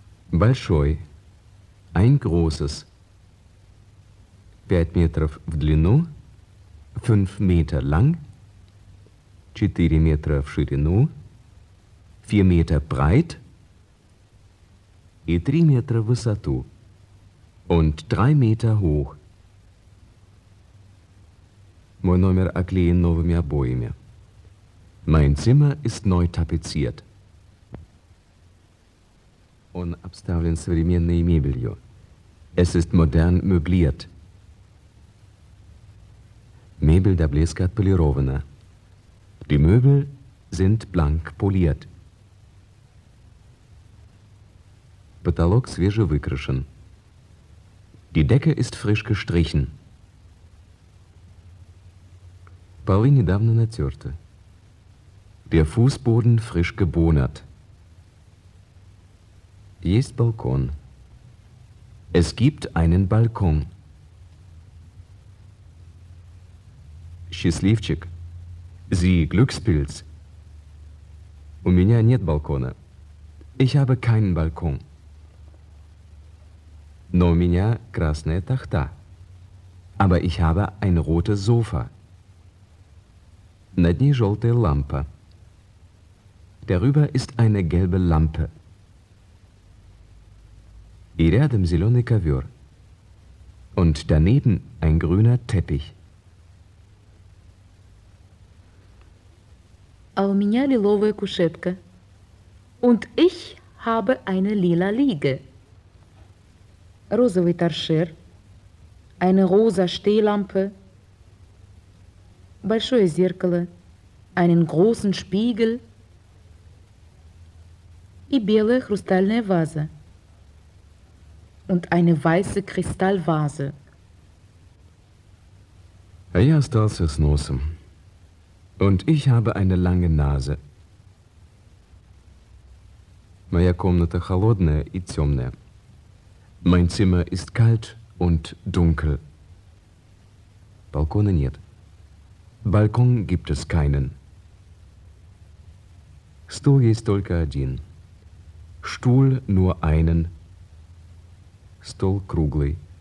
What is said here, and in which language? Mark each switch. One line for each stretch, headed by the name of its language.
Russian: Большой.
German: Ein großes.
Russian: 5 метров в длину.
German: 5
Russian: метров
German: lang.
Russian: 4 метра в ширину.
German: 4
Russian: метра
German: breit.
Russian: И 3 метра в высоту.
German: Und 3
Russian: метра
German: hoch.
Russian: Мой номер оклеен новыми обоями.
German: Mein Zimmer ist neu tapeziert.
Russian: Он обставлен современной мебелью.
German: Es ist modern möbliert.
Russian: Мебель до блеска отполирована.
German: Die Möbel sind blank poliert.
Russian: Потолок свежевыкрашен.
German: Die Decke ist frisch gestrichen.
Russian: Полы недавно натерты.
German: Der Fußboden frisch gebohnert.
Russian: Есть балкон.
German: Es gibt einen Balkon.
Russian: Счастливчик.
German: Sie Glückspilz.
Russian: У меня нет балкона.
German: Ich habe keinen Balkon.
Russian: Но у меня красная тахта.
German: Aber ich habe ein rotes Sofa.
Russian: Над ней желтая лампа.
German: Darüber ist eine gelbe Lampe.
Russian: И рядом зеленый ковер.
German: Und daneben ein grüner Teppich.
Russian: А у меня лиловая кушетка.
German: Und ich habe eine lila Liege.
Russian: Розовый торшер.
German: Eine rosa Stehlampe.
Russian: Большое зеркало.
German: Einen großen Spiegel.
Russian: И белая хрустальная ваза.
German: Und eine weiße Kristallvase.
Russian: А я остался с носом.
German: Und ich habe eine lange Nase.
Russian: Моя комната холодная и темная.
German: Mein Zimmer ist kalt und dunkel.
Russian: Балкона нет.
German: Balkon gibt es keinen.
Russian: Стул есть только один.
German: Stuhl nur einen.
Russian: Стол круглый.